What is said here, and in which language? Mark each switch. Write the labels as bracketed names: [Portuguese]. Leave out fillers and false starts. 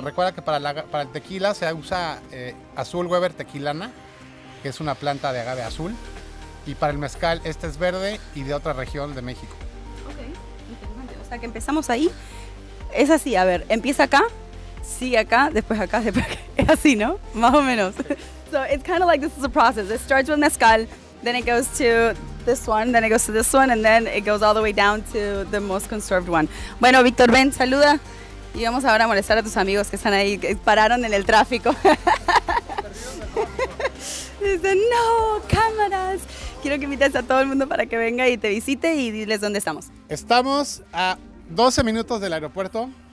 [Spanish] Recuerda que para el tequila se usa azul Weber tequilana, que es una planta de agave azul. Y para el mezcal, este es verde y de otra región de México. Ok, interesante. O sea que empezamos ahí. Es así, a ver, empieza acá, sigue acá, después acá, después acá. Es así, ¿no? Más o menos. [English] So it's kind of like this is a process. It starts with mezcal, then it goes to this one, then it goes to this one, and then it goes all the way down to the most conserved one. [Spanish] Bueno, Víctor, ven, saluda. Y vamos ahora a molestar a tus amigos que están ahí, que pararon en el tráfico. Dicen, no, cámaras. Quiero que invites a todo el mundo para que venga y te visite y diles dónde estamos. Estamos a 12 minutos del aeropuerto.